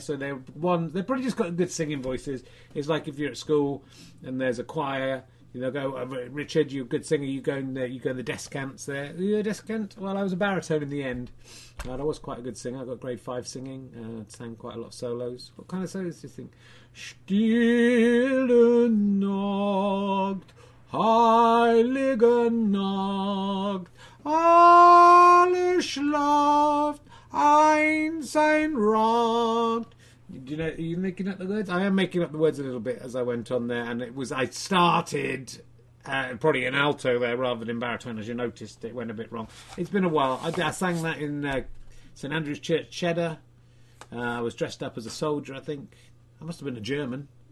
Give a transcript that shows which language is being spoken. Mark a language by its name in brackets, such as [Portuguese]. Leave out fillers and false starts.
[English] So they've probably just got good singing voices. It's like if you're at school and there's a choir, you know, go, oh, Richard, you're a good singer, you go in the descants there. Are you a descant? Well, I was a baritone in the end. But I was quite a good singer. I got grade 5 singing. Sang quite a lot of solos. What kind of solos do you think? [German] Stille Nacht, heilige Nacht, alle schlaft, einsein Rat. [English] Do you know, are you making up the words? I am making up the words a little bit as I went on there, and I started probably in alto there rather than in baritone, as you noticed, it went a bit wrong. It's been a while. I sang that in St. Andrew's Church, Cheddar. I was dressed up as a soldier, I think. I must have been a German.